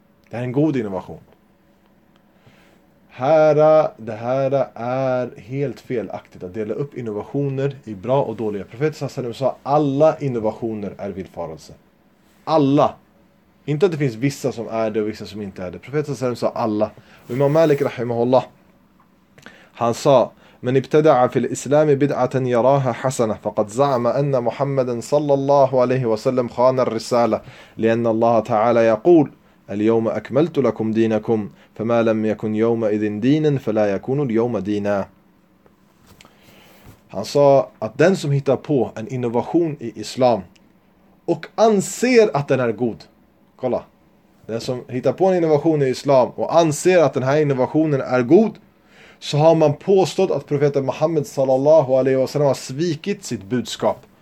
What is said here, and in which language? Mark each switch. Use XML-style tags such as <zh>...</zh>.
<sv>Det här är en god innovation. Det här är helt felaktigt att dela upp innovationer i bra och dåliga. Profeten sallallahu alaihi wa sallam sa att alla innovationer är villfarelse. Alla. Inte att det finns vissa som är det och vissa som inte är det. Profeten sallallahu alaihi wa sallam sa alla. Och Imam Malik rahimahullah, han sa:</sv> <ar>من ابتدع في الإسلام بدعة يراها حسنة فقد زعم أن محمدا صلى الله عليه وسلم خان الرسالة لأن الله تعالى يقول اليوم أكملت لكم دينكم فما لم يكن يوم إذن دينا فلا يكون اليوم دينا.</ar> <sv>Han sa att den som hittar på en innovation i islam och anser att den är god. Kolla. Den som hittar på en innovation i islam och anser att den här innovationen är god, så har man påstått att profeten Muhammed sallallahu alaihi wasallam har svikit sitt budskap.</sv>